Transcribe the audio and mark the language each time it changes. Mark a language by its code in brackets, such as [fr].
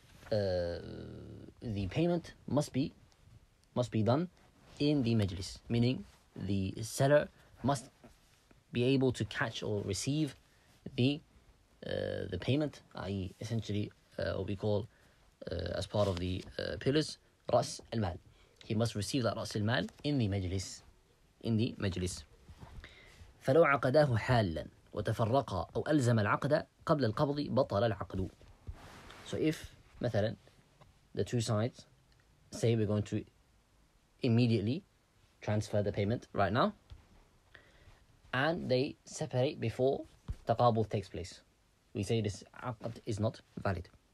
[en] The payment must be done in the majlis, meaning the seller must be able to catch or receive the payment, i.e. essentially what we call as part of the pillars, رَأْس الْمَالِ. He must receive that رَأْس الْمَالِ in the majlis. [ar] فَلَوْ عَقَدَاهُ حَالًا وتفرقا أو ألزم العقد قبل القبض بطل العقد. [en] So if, مثلا, the two sides say we're going to immediately transfer the payment right now, and they separate before تقابض takes place, we say this عقد is not valid.